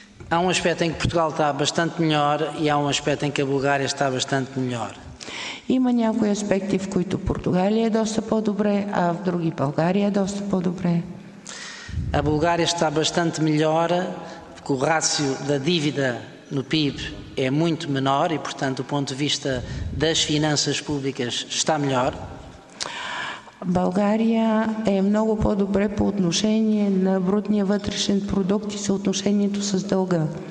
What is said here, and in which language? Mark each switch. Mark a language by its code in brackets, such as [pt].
[pt] Há um aspecto em que Portugal está bastante melhor e há um aspecto em que a Bulgária está bastante melhor. [bg] Има някои аспекти, в които Португалия е доста по-добре, а в други България е доста по-добре. [pt] A Bulgária está bastante melhor, porque o rácio da dívida no PIB é muito menor e, portanto, do ponto de vista das finanças públicas está melhor. [bg] България е много по-добре по отношение на брутния вътрешен продукт и съотношението с дълга.